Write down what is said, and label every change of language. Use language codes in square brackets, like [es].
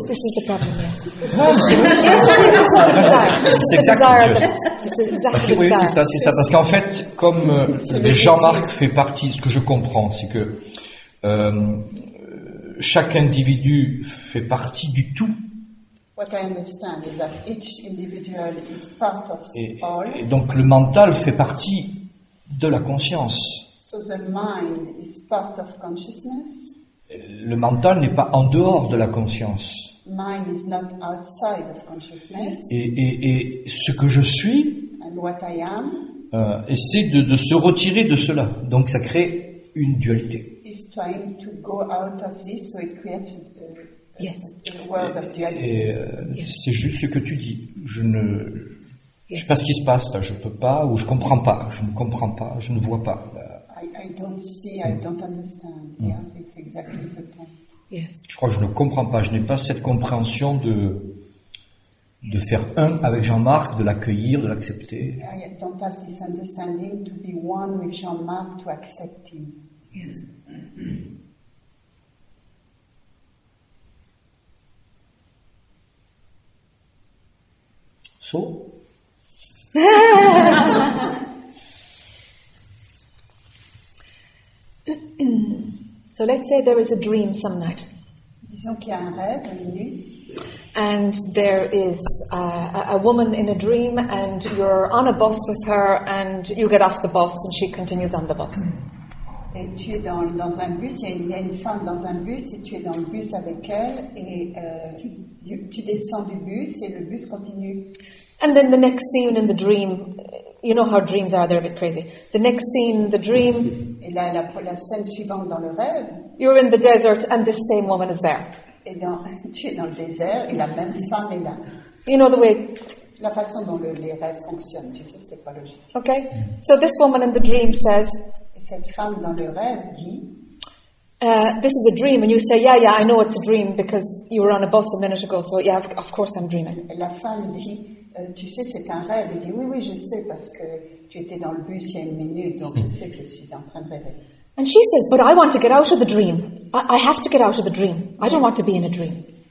[en] This is the problem. Yes, yes, that is also the desire. It's exactly the desire. [fr] C'est ça. Parce qu'en fait, comme Jean-Marc fait partie, ce que je comprends, c'est que chaque individu fait partie du tout. [en] What I understand is that each individual is part of all. [fr] Et donc le mental fait partie de la conscience. [en] So the mind is part of consciousness. [fr] Le mental n'est pas en dehors de la conscience. [en] Mind is not outside of consciousness. [fr] Et ce que je suis, [en] and what I am, [fr] essaie de se retirer de cela. Donc ça crée une dualité. [en] Is trying to go out of this, so it creates yes. a world of duality. [fr] Et yes. C'est juste ce que tu dis. Je sais pas ce qui se passe là. Je peux pas ou je comprends pas. Je ne comprends pas. Je ne vois pas. [en] I don't see, I don't understand. Mm. Yeah, it's exactly the point. Yes. [fr] Je crois que je ne comprends pas, je n'ai pas cette compréhension de yes. faire un avec Jean-Marc, de l'accueillir, de l'accepter. [en] I don't have this understanding to be one with Jean-Marc, to accept him. Yes. So? So let's say there is a dream some night. [fr] Disons qu'il y a un rêve, une nuit. [en] And there is a woman in a dream, and you're on a bus with her, and you get off the bus, and she continues on the bus. [fr] Et tu es dans un bus, il y a une femme dans un bus, et tu es dans le bus avec elle, et tu descends du bus, et le bus continue. [en] And then the next scene in the dream, you know how dreams are, they're a bit crazy. The next scene, the dream, [fr] et là, la scène suivante dans le rêve, [en] you're in the desert and this same woman is there. [fr] Et dans, tu es dans le désert et la même femme est là. [en] You know the way... [fr] La façon dont les rêves fonctionnent, tu sais, c'est pas logique. [en] Okay, so this woman in the dream says... [fr] Et cette femme dans le rêve dit... [en] This is a dream, and you say, yeah, yeah, I know it's a dream because you were on a bus a minute ago, so yeah, of course I'm dreaming. [fr] Et la femme dit... tu sais, c'est un rêve. Il dit, oui, je sais, parce que tu étais dans le bus il y a une minute, donc je sais que je suis en train de rêver. [en] And she says, but I want to get out of the dream. I have to get out of the dream. I don't want to be in a dream.